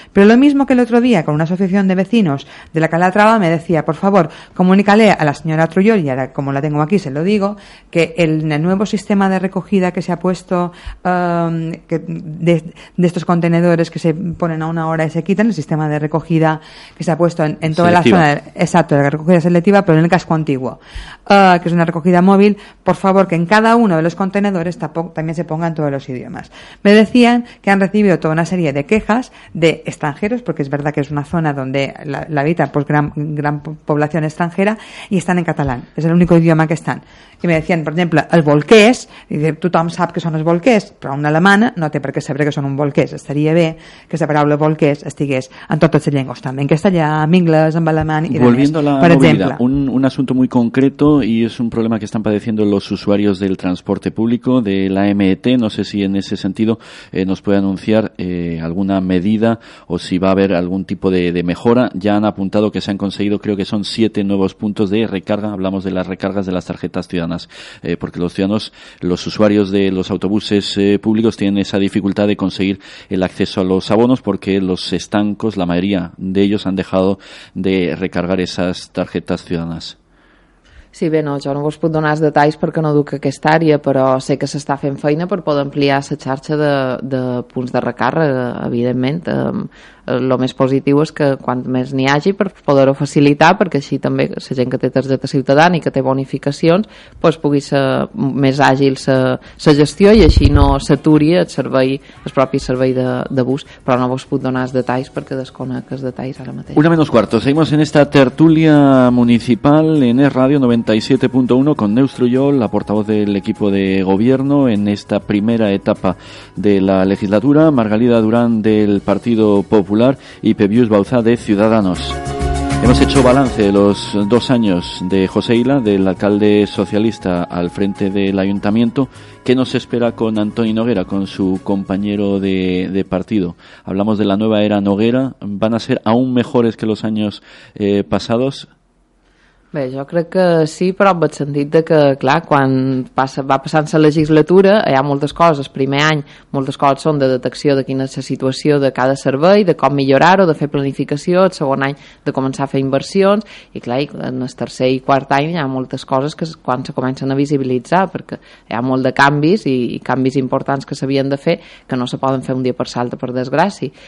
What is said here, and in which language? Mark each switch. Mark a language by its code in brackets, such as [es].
[es] Pero lo mismo que el otro día con una asociación de vecinos de la Calatrava me decía, por favor, comunícale a la señora Trullol, y ahora como la tengo aquí se lo digo, que el nuevo sistema de recogida que se ha puesto de estos contenedores que se ponen a una hora y se quitan, el sistema de recogida que se ha puesto en toda selectiva. La zona, exacto, la recogida selectiva, pero en el casco antiguo, que es una recogida móvil, por favor, que en cada uno de los contenedores también se pongan todos los idiomas. Me decían que han recibido toda una serie de quejas de extranjeros, porque es verdad que es una zona donde la habita pues gran población extranjera, y están en catalán, es el único idioma que están. Y me decían, por ejemplo, el volqués, y dice, [ca] tú tothom sap que són els volqués, però una alemana no té per què saber que són un volqués. Estaria bé que la paraula volqués estigués en totes les llengües, també en castellà, en anglès, en alemany i [es] volviendo a la per movilidad, exemple. Un asunto muy concreto, y es un problema que están padeciendo los usuarios del transporte público, de la MET. No sé si en ese sentido nos puede anunciar alguna medida o si va a haber algún tipo de mejora. Ya han apuntado que se han conseguido, creo que son 7 nuevos puntos de recarga. Hablamos de las recargas de las tarjetas ciudadanas, porque los ciudadanos, los usuarios de los autobuses públicos tienen esa dificultad de conseguir el acceso a los abonos porque los estancos, la mayoría de ellos, han dejado de recargar esas tarjetas ciudadanas. [ca] Sí, bé, no, jo no vos puc donar els detalls perquè no duc aquesta àrea, però sé que s'està fent feina per poder ampliar la xarxa de punts de recàrrega, evidentment. El més positiu és que quant més n'hi hagi per poder-ho facilitar, perquè així també la gent que té targeta ciutadana i que té bonificacions pues pugui ser més àgil la gestió i així no s'aturi el servei, el propi servei de bus. Però no vos puc donar els detalls perquè desconec els detalls ara mateix. [es] Una menos cuarto. Seguimos en esta tertulia municipal en Es Radio 97.1 con Neus Trullol, la portavoz del equipo de gobierno en esta primera etapa de la legislatura, Margalida Durán del Partido Popular y Pepius Bauzá de Ciudadanos. Hemos hecho balance de los 2 años de José Ila, del alcalde socialista al frente del ayuntamiento. ¿Qué nos espera con Antoni Noguera, con su compañero de partido? Hablamos de la nueva era Noguera. ¿Van a ser aún mejores que los años pasados? [ca] Bé, jo crec que sí, però amb el sentit de que, clar, quan va passant la legislatura, hi ha moltes coses. Primer any, moltes coses són de detecció de quina és la situació de cada servei, de com millorar-ho, de fer planificació. El segon any, de començar a fer inversions. I, clar, i en el tercer i quart any hi ha moltes coses que quan se comencen a visibilitzar, perquè hi ha molt de canvis i canvis importants que s'havien de fer que no se poden fer un dia per l'altre, per desgràcia.